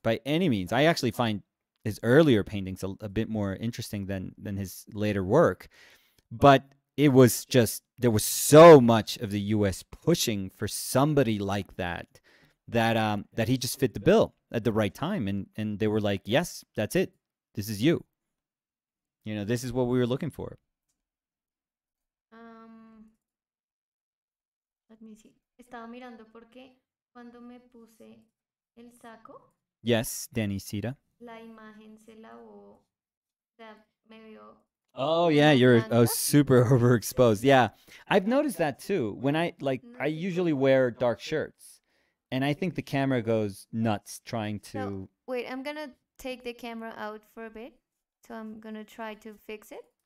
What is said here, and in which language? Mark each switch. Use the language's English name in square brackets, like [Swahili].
[English] I actually find his earlier paintings a bit more interesting than his later work, but it was just, there was so much of the US pushing for somebody like that he just fit the bill at the right time, and they were like, yes, that's it, this is you, you know, this is what we were looking for. Let me see, [Spanish] estaba mirando porque cuando me puse el saco, [English] yes, Danny Sita, [Spanish] la imagen se lavó, o sea, me vio. [English] Oh yeah, you're super overexposed. Yeah, I've noticed that too. When I usually wear dark shirts, and I think the camera goes nuts trying to... So, wait, I'm going to take the camera out for a bit. So I'm going to try to fix it.